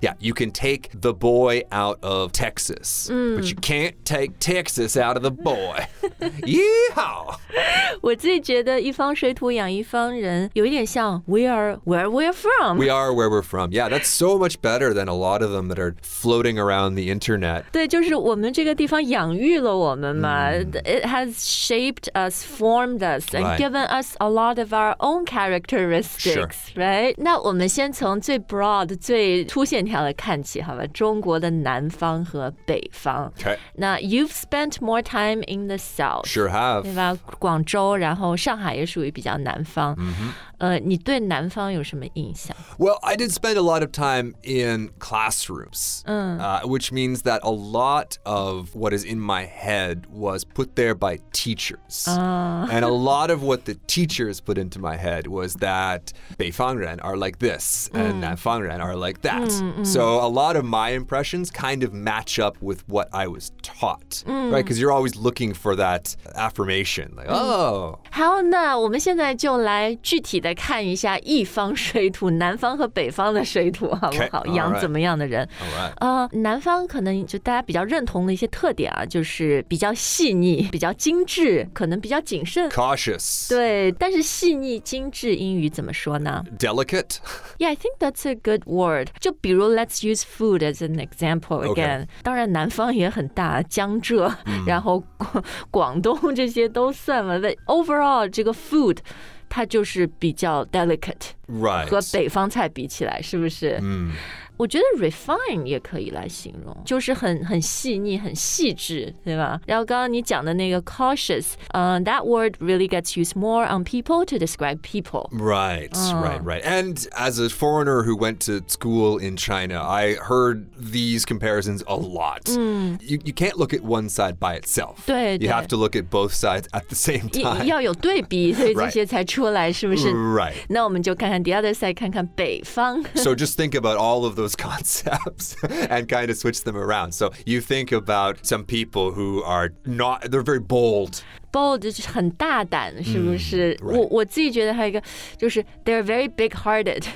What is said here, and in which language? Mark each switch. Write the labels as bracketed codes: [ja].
[en] Yeah, you can take the boy out of Texas,、 mm. but you can't take Texas out of the boy. Yeehaw! [zh] 我自己觉得一方水土养一方人有一点像 [en] We are where we're from. We are where we're from. Yeah, that's so much better than a lot of them that are floating around the internet. [zh] 对，就是我们这个地方养育了我们嘛、mm. [en] It has shaped us, formed us, and、 right. given us a lot of our own characteristics,、 sure. right? [zh] 那我们先从最 broad, 最粗线条的看起，好吧？中国的南方和北方。 [en] Okay. 那 you've spent more time in the south. Sure have. [zh] 对吧？广州，然后上海也属于比较南方。 Mm-hmm. 你对南方有什么印象 [en] ？Well, I did spend a lot of time in classrooms,、which means that a lot of what is in my head was put there by teachers,、and a lot of what the teachers put into my head was that [zh] 北方人 [en] are like this、and [zh] 南方人 [en] are like that.、So a lot of my impressions kind of match up with what I was taught,、right? Because you're always looking for that affirmation, like, oh. [zh] 好，那我们现在就来具体的。的看一下一方水土，南方和北方的水土好不好？ [en] Okay, [zh] 养怎么样的人？ [en] All right. [zh] 南方可能就大家比较认同的一些特点啊，就是比较细腻，比较精致，可能比较谨慎 [en] ，cautious。 [zh] 对，但是细腻精致英语怎么说呢 [en] ？Delicate. Yeah, I think that's a good word. [zh] 就比如 [en] let's use food as an example again.、 Okay. [zh] 当然南方也很大，江浙，然后广东这些都算了。 [en] But overall, [zh] 这个 food. 它就是比较 delicate、 [en] right. [zh] 和北方菜比起来是不是、 mm. 我觉得 refine 也可以来形容就是 很细腻很细致对吧然后刚刚你讲的那个 cautious、 [en] that word really gets used more on people to describe people right,、right, right and as a foreigner who went to school in China I heard these comparisons a lot、 mm. you can't look at one side by itself [zh] 对 [en] you have to look at both sides at the same time [zh] 要有对比所以这些才出来是不是 [en] Right. [zh] 那我们就看看 [en] the other side [zh] 看看北方 [en] So just think about all of those concepts and kind of switch them around. So you think about some people who are not, they're very bold. [zh] Bold 就是很大胆是不是、 [en] Right. [zh] 我自己觉得还有一个就是 [en] they're very big hearted.